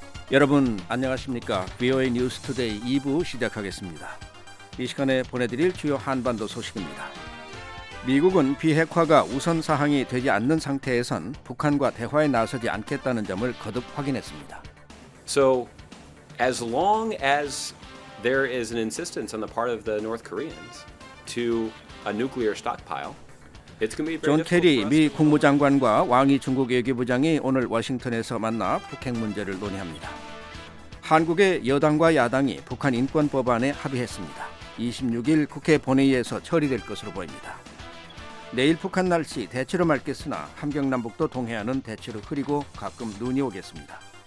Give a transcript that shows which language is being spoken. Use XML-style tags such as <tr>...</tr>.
<ko>여러분 안녕하십니까? VOA News Today 2부 시작하겠습니다. 이 시간에 보내드릴 주요 한반도 소식입니다. 미국은 비핵화가 우선 사항이 되지 않는 상태에선 북한과 대화에 나서지 않겠다는 점을 거듭 확인했습니다.</ko> <en>So as long as there is an insistence on the part of the North Koreans to a nuclear stockpile, it's going to be very</en> <ko>존 케리 미 국무장관과 왕이 중국 외교부장이 오늘 워싱턴에서 만나 북핵 문제를 논의합니다. 한국의 여당과 야당이 북한 인권 법안에 합의했습니다. 26일 국회 본회의에서 처리될 것으로 보입니다. 내일 북한 날씨 대체로 맑겠으나 함경남북도 동해안은 대체로 흐리고 가끔 눈이 오겠습니다.</ko>